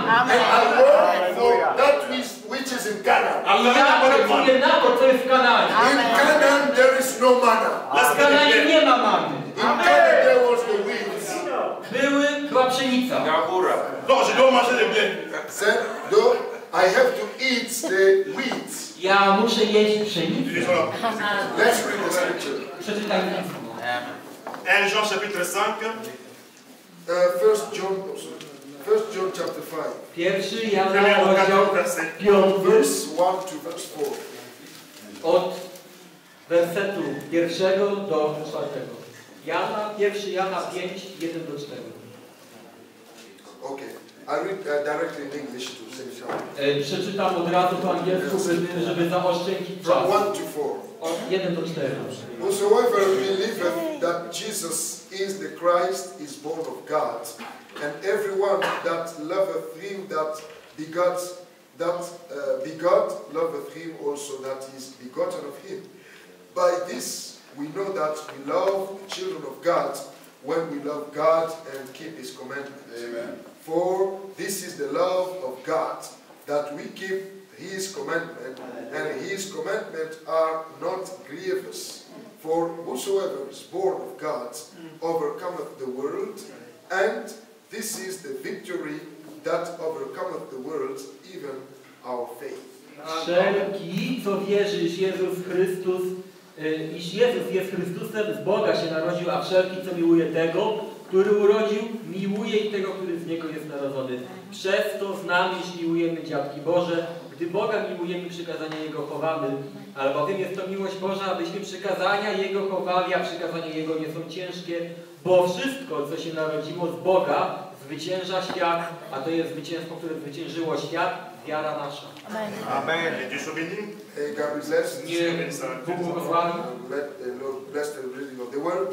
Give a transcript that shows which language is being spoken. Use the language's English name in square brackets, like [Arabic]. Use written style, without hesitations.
[English] And I work for that which is in Canaan. [Polish] I ja pracuję na to, co jest w Kanaanie. [English] In Canaan there is no manna. [Polish] A w Kanaanie nie ma manny. [English] In Canaan there was the wheat. [Polish] Była pszenica. Gabura. Dobrze, doma się nie wiem. [English] Sir, do I have to eat the wheat. [Polish] Ja muszę jeść pszenicę. [English] Let's read the scripture. [Polish] Przeczytaj mi. [English] And John chapter 5. First John chapter 5. [Polish] Pierwszy Jana rozdział 5, [English] verse 1 to verse 4. [Polish] Od wersetu 1 do 4. Jana, pierwszy Jana 5, 1 do 4. [English] Okay. I read directly in English to save time. [Polish] Przeczytam od razu po angielsku, żeby zaoszczędzić czas. [English] From 1 to 4. [Polish] Od 1 do 4. [English] Whosoever believeth that Jesus is the Christ is born of God. And everyone that loveth him that begot loveth him also that is begotten of him. By this we know that we love the children of God when we love God and keep his commandments. Amen. For this is the love of God, that we keep his commandment, and his commandments are not grievous. For whosoever is born of God overcometh the world, and this is the victory that overcometh the world, even our faith. [Polish] Wszelki, co wierzy, iż Jezus Chrystus, iż Jezus jest Chrystusem, z Boga się narodził, a wszelki, co miłuje tego, który urodził, miłuje i tego, który z Niego jest narodzony. Przez to znamy, iż miłujemy Dziadki Boże, gdy Boga miłujemy, przykazania Jego chowamy. Albowiem jest to miłość Boża, abyśmy przykazania Jego chowali, a przykazania Jego nie są ciężkie, bo wszystko, co się narodziło z Boga, zwycięża świat, a to jest zwycięstwo, które zwyciężyło świat, wiara nasza. Amen. Amen. Będziesz obili? [English] God bless. [Polish] Niech Bóg błogosławi. [English] Let the Lord bless the reading of the word.